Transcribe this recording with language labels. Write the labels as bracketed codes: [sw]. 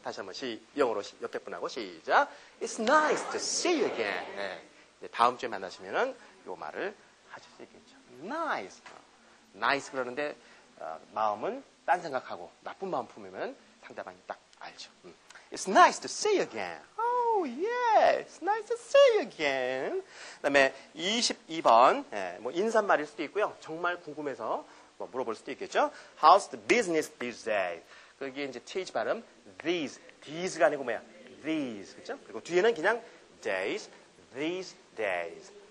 [ko] 다시 한번 영어로 옆에 분하고 시작. [en] It's nice to see you again. 네. [ko] 이제 다음 주에 만나시면은 이 말을 하실 수 있겠죠. [en] Nice. [ko] Nice 그러는데 마음은 딴 생각하고 나쁜 마음 품으면 상대방이 딱 알죠. [en] It's nice to see you again. Oh yeah, it's nice to see you again. [ko] 그다음에 22번 예, 뭐 인사말일 수도 있고요. 정말 궁금해서 뭐 물어볼 수도 있겠죠. [en] How's the business these days? [ko] 그게 이제 TH 발음 [en] these, these가 [ko] 아니고 뭐야? [en] These [ko] 그렇죠? 그리고 뒤에는 그냥 days, these days.